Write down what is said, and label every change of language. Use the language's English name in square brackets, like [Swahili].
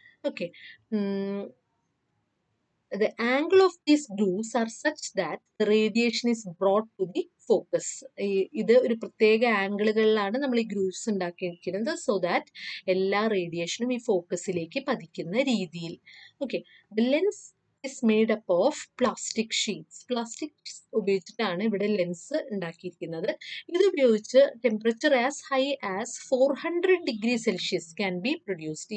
[English] Okay, the angle of these grooves are such that radiation is brought to the focus. [Malayalam] ഇത് ഒരു പ്രത്യേക ആംഗിളുകളിലാണ് നമ്മൾ ഈ ഗ്രൂവ്സ് ഉണ്ടാക്കിയിരിക്കുന്നത്, സോ ദാറ്റ് എല്ലാ റേഡിയേഷനും ഈ ഫോക്കസിലേക്ക് പതിക്കുന്ന രീതിയിൽ. [English] Okay, the lens is made up of plastic sheets. [Malayalam] Plastic ഉപയോഗിച്ചിട്ടാണ് ഇവിടെ ലെൻസ് ഉണ്ടാക്കിയിരിക്കുന്നത്. ഇത് ഉപയോഗിച്ച് [English] Temperature as high as 400 degrees Celsius can be produced.